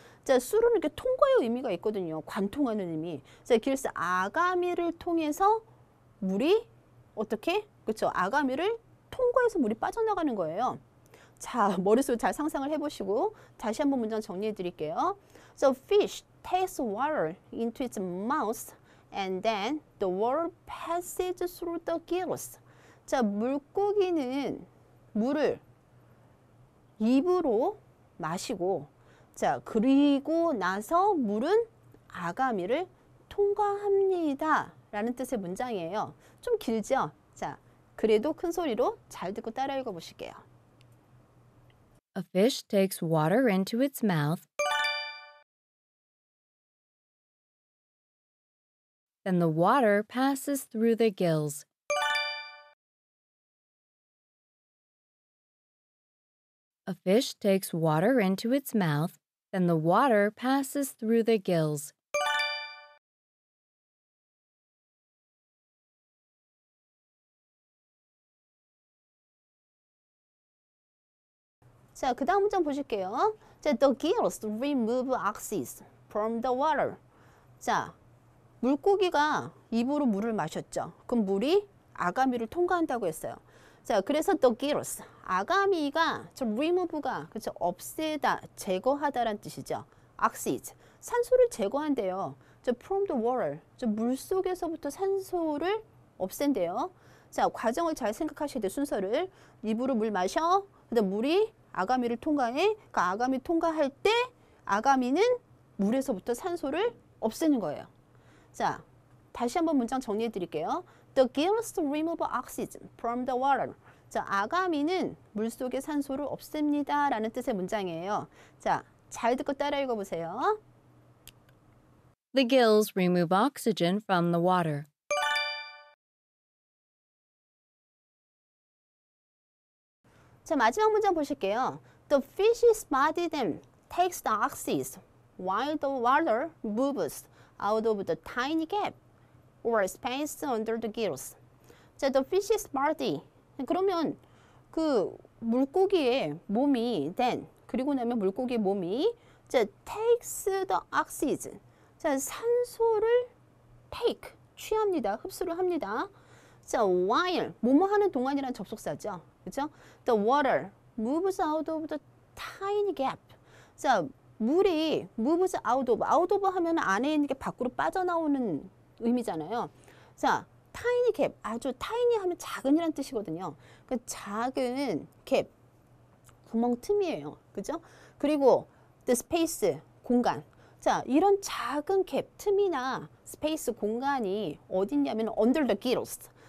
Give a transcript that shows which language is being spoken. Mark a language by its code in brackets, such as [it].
[ko] 자, 수로는 이렇게 통과의 의미가 있거든요. 관통하는 의미. 자, gills 아가미를 통해서 물이 어떻게? 그렇죠. 아가미를 통과해서 물이 빠져나가는 거예요. 자, 머릿속으로 잘 상상을 해보시고 다시 한번 문장 정리해 드릴게요. [en] So fish takes water into its mouth and then the water passes through the gills. [ko] 자, 물고기는 물을 입으로 마시고 자, 그리고 나서 물은 아가미를 통과합니다. 라는 뜻의 문장이에요. 좀 길죠? 자, 그래도 큰 소리로 잘 듣고 따라 읽어 보실게요. [en] A fish takes water into its mouth. Then the water passes through the gills. A fish takes water into its mouth, then the water passes through the gills. [ko] So, 그 다음 문장 보실게요. [en] So, the gills remove oxygen from the water. [ko] 자, 물고기가 입으로 물을 마셨죠. 그럼 물이 아가미를 통과한다고 했어요. 자, 그래서 the gills, 아가미가 저 remove가 그쵸? 없애다, 제거하다라는 뜻이죠. oxygen, 산소를 제거한대요. 저 [en] from the water, [ko] 저 물 속에서부터 산소를 없앤대요. 자, 과정을 잘 생각하셔야 돼요. 순서를 입으로 물 마셔, 그다음 물이 아가미를 통과해. 그 아가미 통과할 때 아가미는 물에서부터 산소를 없애는 거예요. 자, 다시 한번 문장 정리해 드릴게요. [en] The gills remove oxygen from the water. [ko] 자, 아가미는 물 속에 산소를 없앱니다. 라는 뜻의 문장이에요. 자, 잘 듣고 따라 읽어보세요. [en] The gills remove oxygen from the water. [ko] So, 마지막 문장 보실게요. [en] The fish's body then takes the oxygen while the water moves out of the tiny gap or space under the gills. So, the fish's body. [ko] 그러면 그 물고기의 몸이 then 그리고 나면 물고기의 몸이 so, [en] takes the oxygen. [ko] So, 산소를 take 취합니다. 흡수를 합니다. So, while 뭐뭐 하는 동안이란 접속사죠. 그렇죠? [en] The water moves out of the tiny gap. [ko] 자, 물이 [en] moves out of. [ko] out of 하면 안에 있는 게 밖으로 빠져나오는 의미잖아요. 자, tiny gap. 아주 tiny 하면 작은이란 뜻이거든요. 그 작은 gap. 구멍 틈이에요. 그렇죠? 그리고 the space 공간. 자, 이런 작은 gap 틈이나 space 공간이 어디 있냐면 [en] under the gills.